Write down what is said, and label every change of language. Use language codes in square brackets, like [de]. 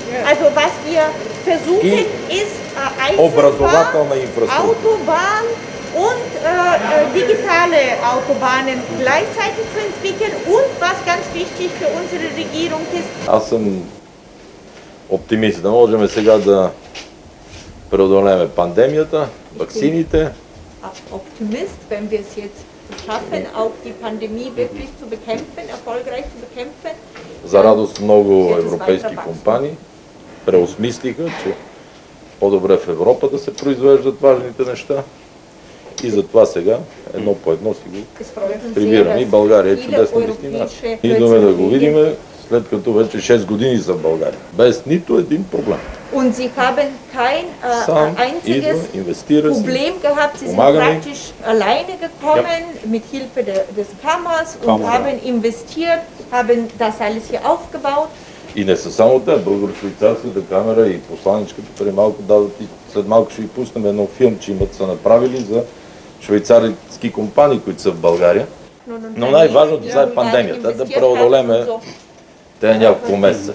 [de] Also was wir versuchen ist [bg] образовательна инфраструктура. [de] Автобан und digitale Autobahnen gleichzeitig zu entwickeln und was ganz wichtig für unsere Regierung ist. [bg] Аз съм оптимист. Да можем сега да преодолеем пандемията, ваксините. [de] Оптимист, wenn wir es jetzt schaffen, auch die Pandemie wirklich zu bekämpfen, erfolgreich zu bekämpfen. [bg] За радост много европейски компании преосмислиха, че по-добре в Европа да се произвеждат важните неща. И затова сега едно по едно си го прибираме. И България е чудесна дестинация. Идваме да го видим, след като вече 6 години са в България. Без нито един проблем. [de] Und sie haben kein einziges Problem gehabt. Sie sind praktisch alleine gekommen mit Hilfe des Kammers und haben investiert, haben das alles hier aufgebaut. [bg] И не са само те, българо-швейцарската камера и посланичката преди малко дадат и след малко ще ви пуснем едно филмче, имат са направили за швейцарски компании, които са в България. Но най-важното сега е пандемията, да преодолеме няколко месеца.